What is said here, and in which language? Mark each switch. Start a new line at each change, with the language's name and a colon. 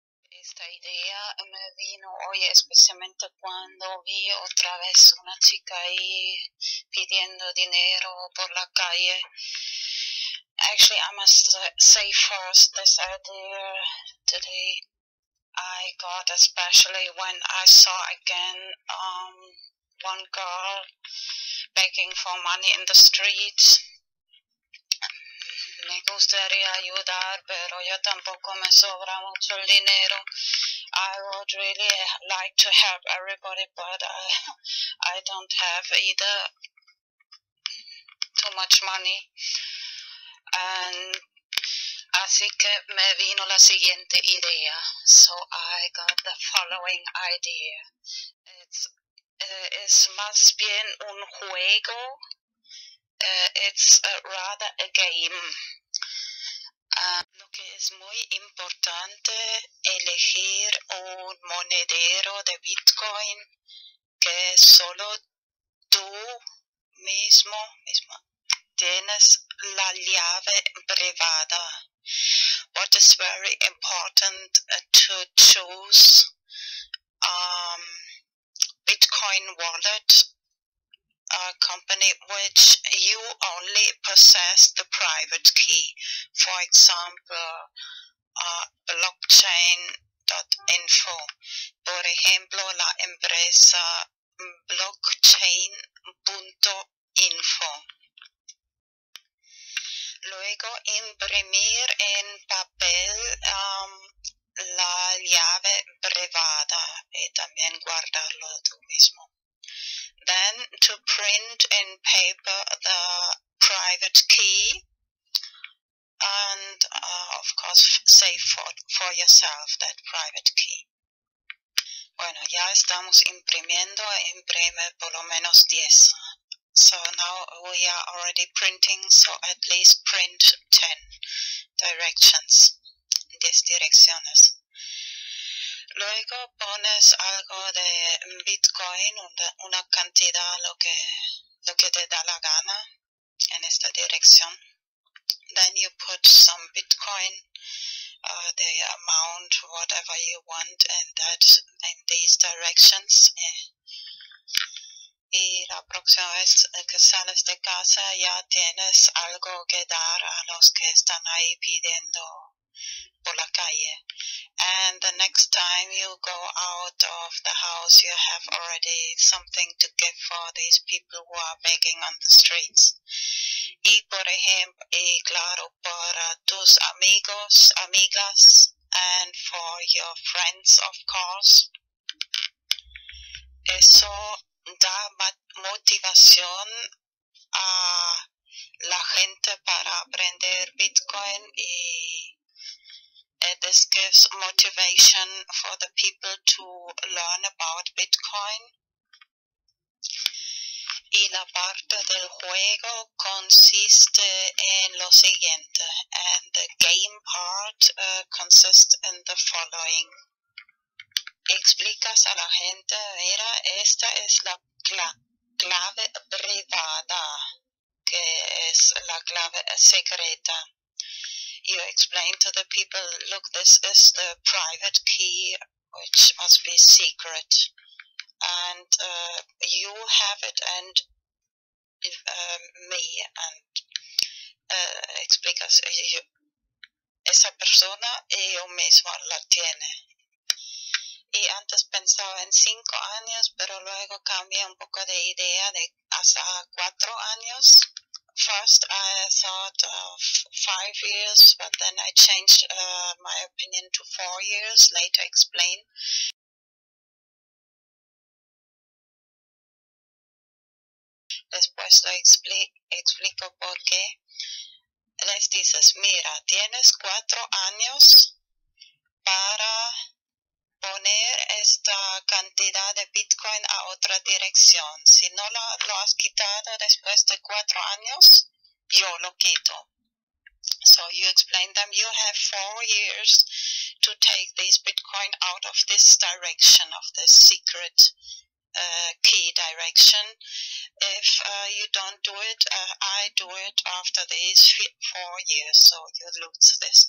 Spanish: esta idea me vino hoy, especialmente cuando vi otra vez una chica ahí pidiendo dinero por la calle.
English: Actually, I must say first this idea today I got, especially when I saw again one girl begging for money in the streets.
Spanish: Me gustaría ayudar, pero yo tampoco me sobra mucho el dinero.
English: I would really like to help everybody, but I don't have either too much money.
Spanish: And así que me vino la siguiente idea.
English: So I got the following idea. It's
Spanish: más bien un juego.
English: It's rather a game.
Spanish: Lo que es muy importante elegir un monedero de Bitcoin que solo tú mismo tienes la llave privada.
English: What is very important to choose Bitcoin wallet, a company which you only possess the private key. For example, blockchain.info.
Spanish: Por ejemplo, la empresa blockchain.info. Luego, imprimir en papel la llave privada y también guardarlo tú mismo.
English: Then, to print in paper the private key and, of course, save for yourself that private key.
Spanish: Bueno, ya estamos imprimiendo, imprime por lo menos 10.
English: So now we are already printing, so at least print 10 directions,
Spanish: 10 direcciones. Luego pones algo de Bitcoin, una cantidad, lo que te da la gana en esta dirección.
English: Then you put some Bitcoin, the amount, whatever you want, and that in these directions.
Spanish: Y la próxima vez que sales de casa ya tienes algo que dar a los que están ahí pidiendo por la calle.
English: And the next time you go out of the house, you have already something to give for these people who are begging on the streets.
Spanish: Y por ejemplo, y claro, para tus amigos, amigas,
English: and for your friends, of course.
Spanish: Eso da motivación a la gente para aprender Bitcoin y
English: this gives motivation for the people to learn about Bitcoin.
Spanish: Y la parte del juego consiste en lo siguiente.
English: And the game part consists in the following.
Spanish: Explicas a la gente, mira, esta es la clave privada, que es la clave secreta.
English: You explain to the people, look, this is the private key, which must be secret. And you have it and me.
Spanish: And explicas, esa persona y yo mismo la tiene. Y antes pensaba en 5 años, pero luego cambié un poco de idea de hasta 4 años.
English: First, I thought of 5 years, but then I changed my opinion to 4 years, later explain.
Spanish: Después lo explico por qué. Les dices, mira, tienes 4 años para poner esta cantidad de Bitcoin a otra dirección. Si no lo has quitado después de 4 años, yo lo quito.
English: So you explain them, you have 4 years to take this Bitcoin out of this direction, of this secret key direction. If you don't do it, I do it after these 4 years, so you lose this.